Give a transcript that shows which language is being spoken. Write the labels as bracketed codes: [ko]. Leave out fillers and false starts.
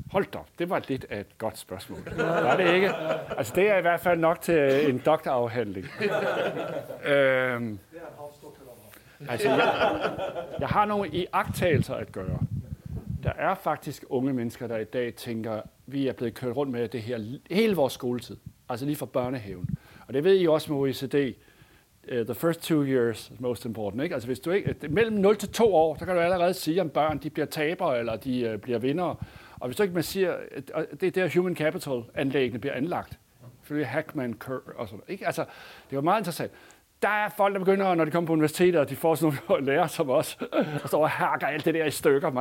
[no] Hold da, det var litt et godt spørsmål. Var det ikke? Altså, det er i hvert fall nok til en doktoravhandling. [da] Altså, jeg har noen iakttagelser at gjøre. Der er faktisk unge mennesker, der i dag tenker, vi er blevet kørt rundt med det her hele vår skoletid. Altså lige fra børnehaven. Og det ved I også med OECD. [en] The first two years is most important. [da] Ikke? Altså hvis du ikke, mellem 0 til 2 år, så kan du allerede sige, om børn de bliver tabere, eller de bliver vindere. Og hvis du ikke man siger, det er der human capital-anlæggene bliver anlagt. Følge Hackman og sådan noget. Altså, det var meget interessant. Der er folk, der begynder, når de kommer på universitetet, og de får sådan nogle lærere som os, og står og hakker alt det der i stykker.